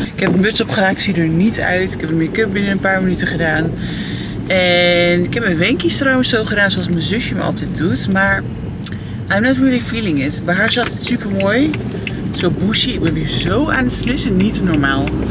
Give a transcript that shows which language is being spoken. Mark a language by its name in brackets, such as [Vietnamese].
[Dutch] Ik heb een muts opgeraakt, ik zie er niet uit. Ik heb de make-up binnen een paar minuten gedaan. En ik heb mijn wenkjes trouwens zo gedaan zoals mijn zusje me altijd doet. [English] Maar I'm not really feeling it. [Dutch] Bij haar zat het super mooi. Zo bushy. Ik ben weer zo aan het slissen. Niet normaal.